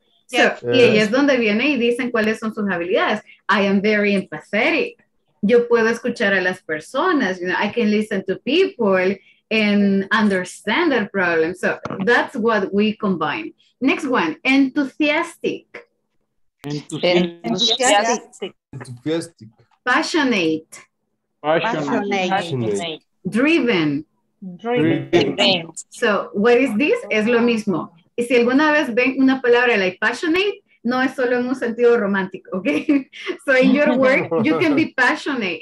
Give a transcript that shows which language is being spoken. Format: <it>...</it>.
<en>So, yes.</en> <es>Y ahí es donde viene y dicen cuáles son sus habilidades.</es> <en>I am very empathetic.</en> <es>Yo puedo escuchar a las personas.</es> <en>You know, I can listen to people and understand their problems. So that's what we combine. Next one, enthusiastic. Enthusiastic. Passionate. Passionate. Driven. Driven. So what is this?</en> <es>Es lo mismo. Y si alguna vez ven una palabra like passionate, no es solo en un sentido romántico, ¿ok?</es> <en>So in your work, you can be passionate.</en>